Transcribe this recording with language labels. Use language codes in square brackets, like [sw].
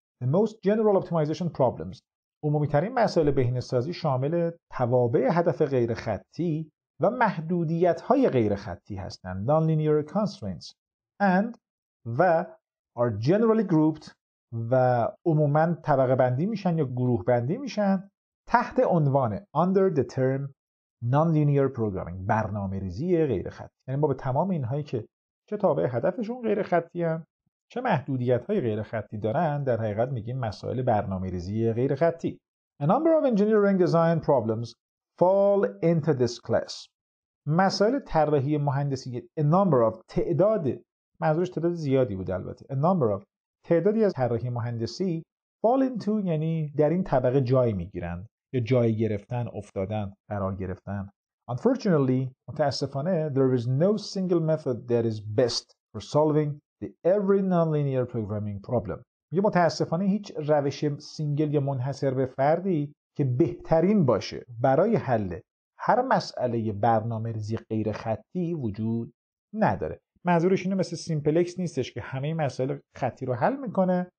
[en] The most general optimization problems، [fa] عمومی ترین مسائل بهینه سازی شامل توابع هدف غیر خطی و محدودیت های غیر خطی هستن، [en] non-linear constraints، [fa] and و [en] are generally grouped [fa] و عموما طبقه بندی میشن یا گروه بندی میشن تحت عنوان [en] under the term non-linear programming، [fa] برنامه‌ریزی غیر خطی. یعنی ما به تمام اینهایی که چه تابع هدفشون غیر خطی هم چه محدودیت‌های غیر خطی دارن در حقیقت میگیم مسائل برنامه‌ریزی غیر خطی. [en] A number of engineering design problems fall into this class. [fa] مسائل طراحی مهندسی، [en] a number of، [fa] تعداد، منظورش تعداد زیادی بود البته، a number of، تعدادی از طراحی مهندسی [en] fall into [fa] یعنی در این طبقه جای میگیرن یا جای گرفتن، افتادن، قرار گرفتن. [en] Unfortunately، [fa] متاسفانه، [en] there is no single method that is best for solving the every non-linear programming problem. [fa] یه متاسفانه هیچ روش سینگل یا منحصر به فردی که بهترین باشه برای حل هر مسئله برنامه‌ریزی غیر خطی وجود نداره. منظورش اینه مثل سیمپلکس نیستش که همه مسائل خطی رو حل میکنه.